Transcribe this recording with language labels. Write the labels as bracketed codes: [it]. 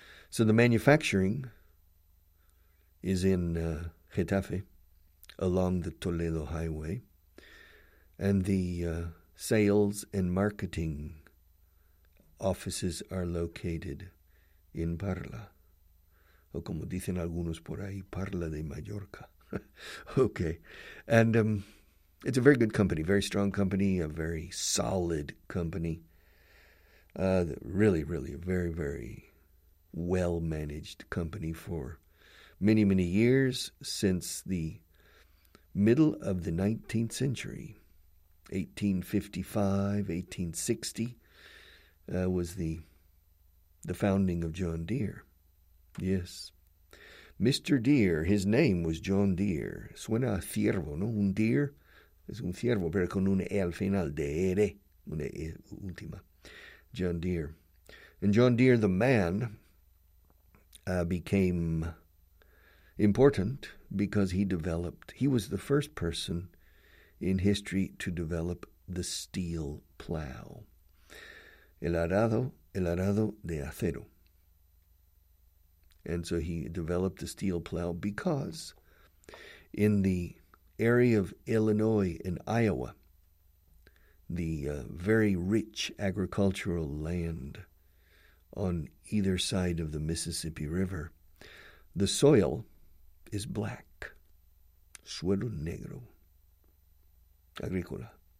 [en] So the manufacturing is in Getafe along the Toledo Highway. And the sales and marketing offices are located in Parla. [es] O como dicen algunos por ahí, Parla de Mallorca. [en] Okay. And it's a very good company, very strong company, a very solid company. Really, really a very, very well-managed company for many, many years since the middle of the 19th century. 1855, 1860 was the founding of John Deere. Yes. Mr. Deere, his name was John Deere. [es] Suena a ciervo, ¿no? Un deer es un ciervo, pero con un E al final, Deere, una E última. John Deere. [en] And John Deere, the man, became important because he was the first person in history to develop the steel plow. [es] El arado de acero. [en] And so he developed the steel plow because in the area of Illinois and Iowa, the very rich agricultural land on either side of the Mississippi River, the soil is black. [es] Suelo negro. Agricola.